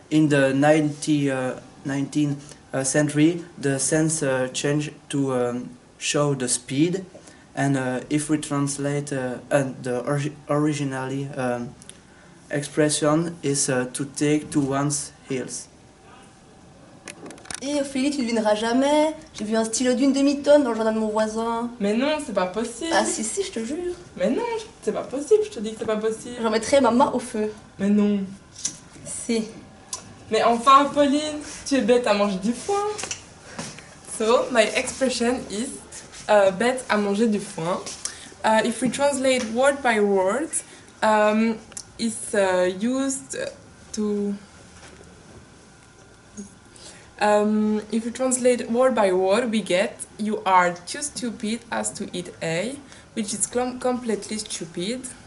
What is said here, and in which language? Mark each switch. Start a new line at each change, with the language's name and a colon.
English: In the 19th century, the sense changed to show the speed, and if we translate the originally expression is to take to one's heels.
French: Hé, Ophélie, tu ne devineras jamais. J'ai vu un stylo d'une demi-tonne dans le journal de mon voisin. Mais non, c'est pas possible. Ah si, si, je te jure. Mais non, c'est pas possible, je te dis que c'est pas possible. J'en mettrai ma main au feu. Mais non. Si. Mais enfin, Pauline, tu es bête à manger du foin.
English: So, my expression is
French: bête à manger du foin.
English: If we translate word by word, it's used to... if you translate word by word, we get you are too stupid as to eat A, which is completely stupid.